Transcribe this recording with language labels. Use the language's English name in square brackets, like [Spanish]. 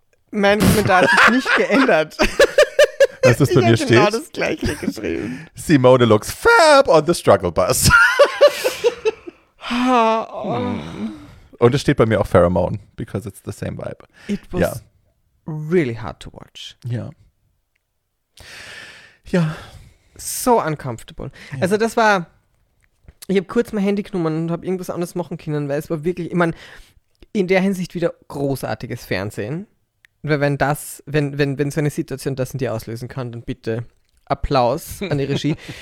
[German] Mein Kommentar hat sich nicht geändert. Was ist bei mir steht? Ich habe genau das gleiche geschrieben. [English] Simone looks fab on the struggle bus. [German] Und es steht bei mir auch Pheromone, [English] because it's the same vibe. It was really hard to watch. [German] Ja. Ja. [English] So uncomfortable. Ja. [German] Also das war, ich habe kurz mein Handy genommen und habe irgendwas anderes machen können, weil es war wirklich, ich meine, in der Hinsicht wieder großartiges Fernsehen. Weil wenn das, wenn so eine Situation das in dir auslösen kann, dann bitte Applaus an die Regie.